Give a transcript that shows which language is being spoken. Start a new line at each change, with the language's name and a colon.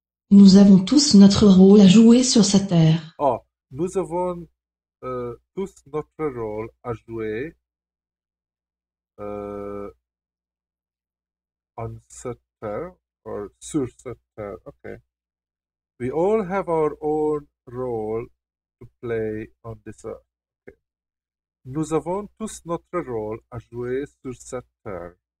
French: Nous avons tous notre rôle à jouer sur cette terre. Oh, nous avons tous notre rôle à jouer on cette terre or sur cette terre.
English: Okay. We all have our own role to play on this earth. Okay.
French: Nous avons tous notre rôle à jouer sur cette terre.